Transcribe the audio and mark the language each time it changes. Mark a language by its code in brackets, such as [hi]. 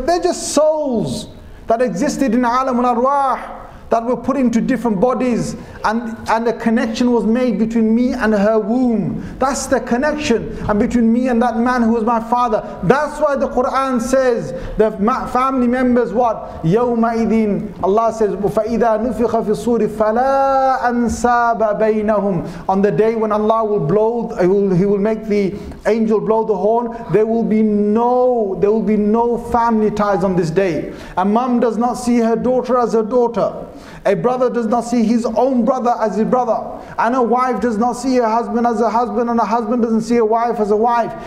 [en] They're just souls that existed in Alamul Arwah, that were put into different bodies, and a connection was made between me and her womb. That's the connection, and between me and that man who was my father. That's why the Quran says the family members, what? [ar] Yawma idin, [en] Allah says, [ar] فَإِذَا نُفِخَ فِي الصُّورِ فَلَا أَنْسَابَ بَيْنَهُمْ. [en] On the day when Allah will blow, he will make the angel blow the horn, there will be no family ties on this day. A mom does not see her daughter as her daughter. A brother does not see his own brother as his brother. And a wife does not see her husband as a husband, and a husband doesn't see a wife as a wife.